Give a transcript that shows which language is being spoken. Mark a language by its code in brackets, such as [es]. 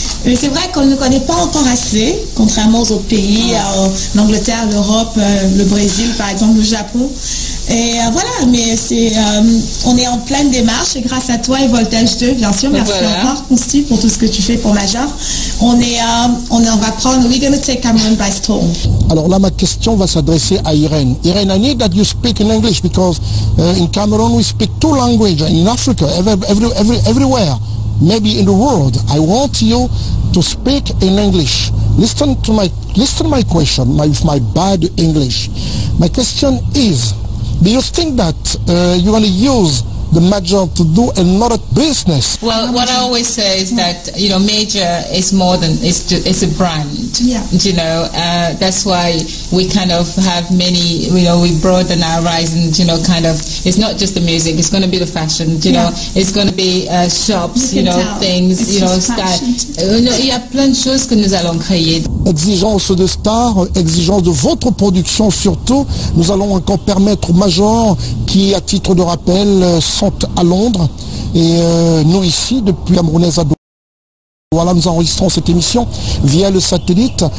[fr] Mais c'est vrai qu'on ne connaît pas encore assez, contrairement aux autres pays, l'Angleterre, l'Europe, le Brésil, par exemple, le Japon. Et voilà, mais c'est, on est en pleine démarche grâce à toi et Voltage 2, bien sûr. Merci voilà. Encore, Consti, pour tout ce que tu fais pour Major. On va prendre, [en] we're going to take Cameroun by storm. [fr] Alors là, ma question va s'adresser à Irène. [en] Irène, I need that you speak in English because in Cameroon, we speak two languages, in Africa, everywhere, maybe in the world. I want you to speak in English. Listen to my question, my bad English. My question is, do you think that you're going to use the Major to do another business? Well, what I always say is that, you know, Major is more than, it's a brand, yeah. You know, that's why we kind of have many, you know, we broaden our horizons, you know, kind of, it's not just the music, it's going to be the fashion, you know, it's going to be shops, you know, things, you know, [fr] il y a plein de choses que nous allons créer. Exigence de star, exigence de votre production surtout, nous allons encore permettre au Major qui, à titre de rappel, sont à Londres et nous ici depuis Camerounaise à Douala, nous enregistrons cette émission via le satellite.